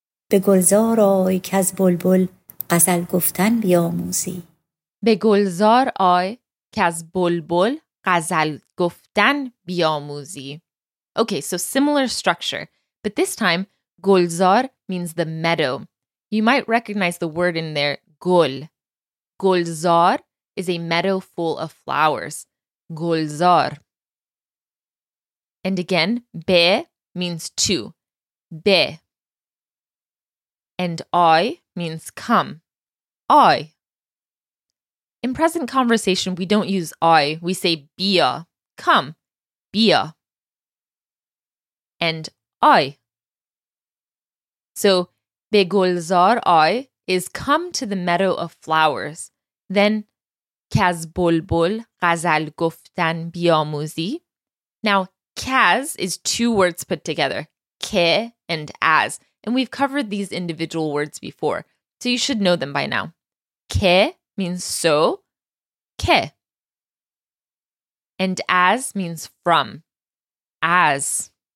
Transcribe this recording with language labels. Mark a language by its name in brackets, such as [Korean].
[Persian] به گلزار آی که از بلبل غزل گفتن بیاموزی. به گلزار آی که از بلبل غزل گفتن بیاموزی. [English] Okay, so similar structure, but this time gulzar means the meadow. You might recognize the word in there, gul. Gulzar is a meadow full of flowers. Gulzar. And again, be means to. Be. And I means come. I. In present conversation, we don't use I. We say bia. Come. Bia. And I. So, [Persian] به گلزار آی [English] is come to the meadow of flowers. [Persian] Then, کز بلبل غزل گفتن بیاموزی. [English] Now, کز is two words put together, که and as. And we've covered these individual words before, so you should know them by now. که means so, که. And as means from, as.